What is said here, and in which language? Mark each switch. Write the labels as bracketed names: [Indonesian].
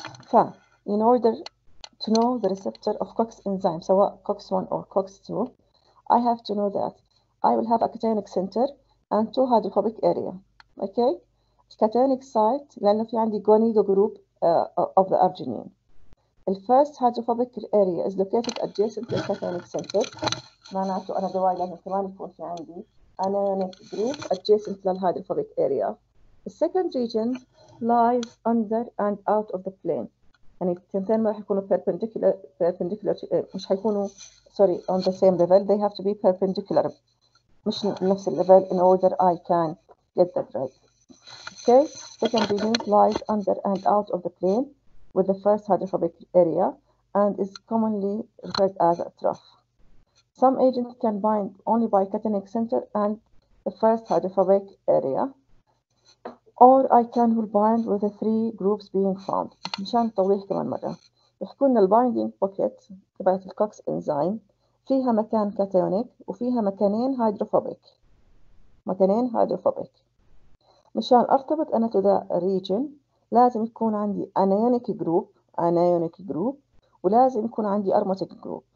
[English] ف in order to know the receptor of cox enzyme سواء cox 1 or cox 2 I have to know that I will have a cationic center and two hydrophobic area. Okay, cationic site [Arabic] لأنه في عندي [English] gonadal group of the arginine. The first hydrophobic area is located adjacent to the cationic center. [Arabic] معناته أنا دواي لازم كمان يكون في عندي [English] anionic group adjacent to the hydrophobic area. The second region lies under and out of the plane. [Arabic] يعني التنتين ما راح يكونوا perpendicular مش حيكونوا sorry [English] on the same level. They have to be perpendicular [Arabic] مش نفس الليفل [English] in order I can get the drug. Okay, second region lies under and out of the plane with the first hydrophobic area and is commonly referred as a trough. Some agents can bind only by cationic center and the first hydrophobic area, or I can will bind with the three groups being found. [Arabic] مشان توضيح كمان مرة، بحكون البايندينج بوكيت تبعت الكوكس انزيم فيها مكان كاتيونيك وفيها مكانين هيدروفوبيك. مكانين هيدروفوبيك. مشان ارتبط انا [English] to the region [Arabic] لازم يكون عندي انايونيك جروب، انايونيك جروب، ولازم يكون عندي ارموتيك جروب.